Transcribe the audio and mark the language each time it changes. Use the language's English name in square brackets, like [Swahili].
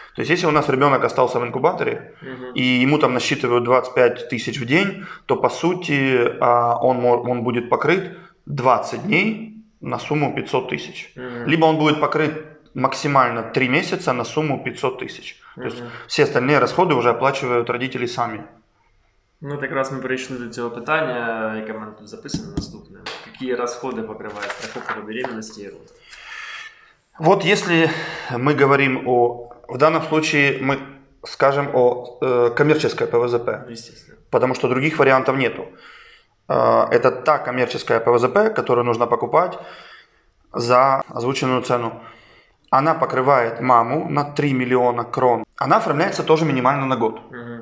[Russian] То есть, если у нас ребенок остался в инкубаторе, и ему там насчитывают 25 тысяч в день, то, по сути, он будет покрыт 20 дней на сумму 500 тысяч. Либо он будет покрыт максимально 3 месяца на сумму 500 тысяч. То есть, все остальные расходы уже оплачивают родители сами. [Ukrainian] Ну, так раз мы перейшли до цього питання, яке в мене тут записано наступне. Які расходи покриває страховка по беременності і родам? [Russian] Вот если мы говорим о... В данном случае мы скажем о коммерческой ПВЗП. Естественно. Потому что других вариантов нету. Это та коммерческая ПВЗП, которую нужно покупать за озвученную цену. Она покрывает маму на 3 миллиона крон. Она оформляется тоже минимально на год. Угу.